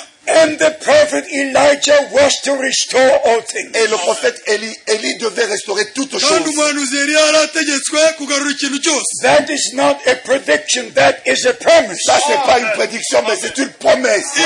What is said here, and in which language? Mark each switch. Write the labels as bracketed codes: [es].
[en] And the prophet Elijah was to restore all things. [fr] Et le prophète Élie devait restaurer toutes choses. [en] That is not a prediction, that is a promise. [fr] Ça c'est pas une prédiction, mais c'est une promesse.